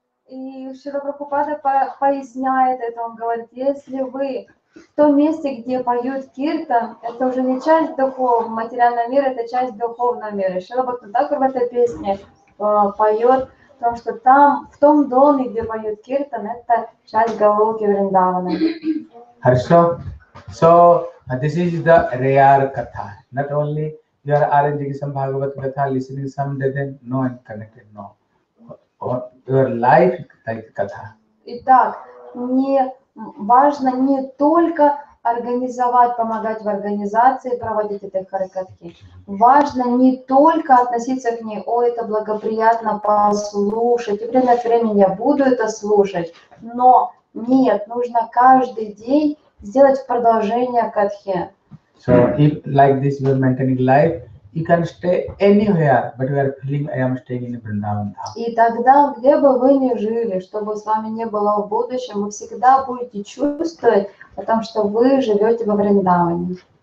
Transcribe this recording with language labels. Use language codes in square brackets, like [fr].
[ru] И Шрила Прабхупада поясняет это, он говорит, если вы в том месте, где поют киртан, это уже не часть духовного материального мира, это часть духовного мира. Шрила Бхактивинода в этой песне поет, потому что там, в том доме, где поют киртан, это часть Галоки Вриндавана. Хорошо. [en] So, this is the rare katha. Not only you are arranging some Bhagavad katha, listening some, then no and connected, no. Your life like katha. [ru] Итак, не важно не только организовать, помогать в организации, проводить эти харикатхи. Важно не только относиться к ней, о, это благоприятно послушать, и время от времени я буду это слушать, но нет, нужно каждый день сделать продолжение катхи. [en] So, if like this you are maintaining life, you can stay anywhere, but you are feeling I am staying in Vrindavan. [ru] И тогда, где бы вы ни жили, что бы с вами не было в будущем, вы всегда будете чувствовать о том, что вы живете во Вриндаване.